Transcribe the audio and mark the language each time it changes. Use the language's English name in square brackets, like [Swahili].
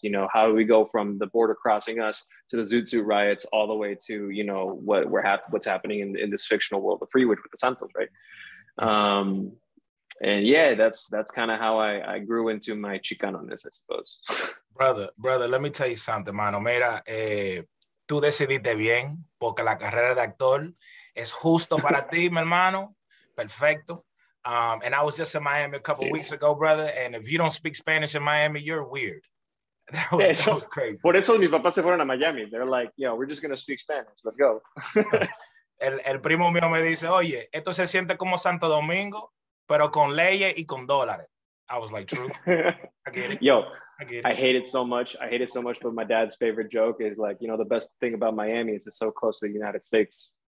[English] You know, how do we go from the border crossing us to the Zoot Suit riots all the way to, you know, what's happening in this fictional world, the free witch with the Santos, right? And yeah, that's kind of how I grew into my Chicanoness, I suppose. Brother, let me tell you something, mano. [Spanish] Mira, tú decidiste bien, porque la carrera de actor es justo para ti, mi hermano. Perfecto. [English] And I was just in Miami a couple weeks ago, brother. And if you don't speak Spanish in Miami, you're weird. That was crazy. [Spanish] Por eso mis papás se fueron a Miami. [English] They're like, yo, we're just going to speak Spanish. Let's go. [Spanish] el primo mío me dice, oye, esto se siente como Santo Domingo, pero con leyes y con dólares. [English] I was like, true. I get it. Yo, I get it. I hate it so much. But my dad's favorite joke is like, you know, the best thing about Miami is it's so close to the United States.